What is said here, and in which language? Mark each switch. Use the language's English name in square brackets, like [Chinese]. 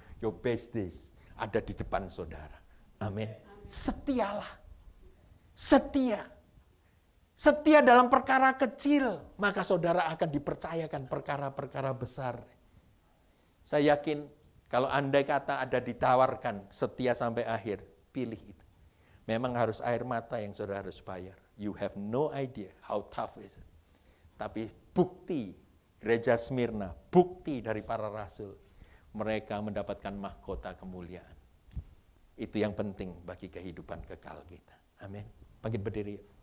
[English] Your best days [Indonesian] ada di depan saudara. Amin. Setialah. Setia. Setia dalam perkara kecil, maka saudara akan dipercayakan perkara-perkara besar. Saya yakin kalau andai kata ada ditawarkan setia sampai akhir, pilih itu. Memang harus air mata yang saudara harus bayar. [English] You have no idea how tough is it. [Indonesian] Tapi bukti gereja Smyrna, bukti dari para rasul, mereka mendapatkan mahkota kemuliaan. Itu yang penting bagi kehidupan kekal kita. Amin. Bangkit berdiri.